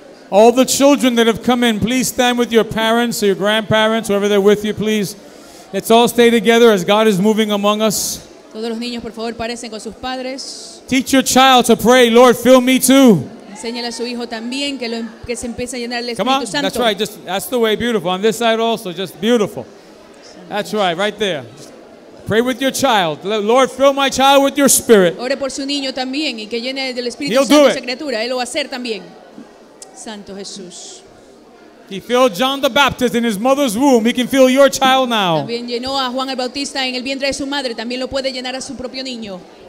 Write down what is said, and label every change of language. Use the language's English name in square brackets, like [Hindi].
[English] All the children that have come in, please stand with your parents or your grandparents, whoever they're with you, please. Let's all stay together as God is moving among us. [Spanish] Todos los niños, por favor, parecen con sus padres. [English] Teach your child to pray, Lord, fill me too. [Spanish] Enséñale a su hijo también que, lo, que se empiece a llenar el Espíritu [English] Santo. Come on, that's right, just, that's the way, beautiful. On this side also, just beautiful. That's right, right there. Pray with your child. Lord, fill my child with your spirit. [Spanish] Ore por su niño también y que llene del Espíritu [English] He'll [Spanish] Santo [English] do it. [Spanish] Esa criatura. Él lo va a hacer también. Santo Jesús. [English] He filled John the Baptist in his mother's womb. He can fill your child now. [Spanish] También llenó a Juan el Bautista en el vientre de su madre. También lo puede llenar a su propio niño.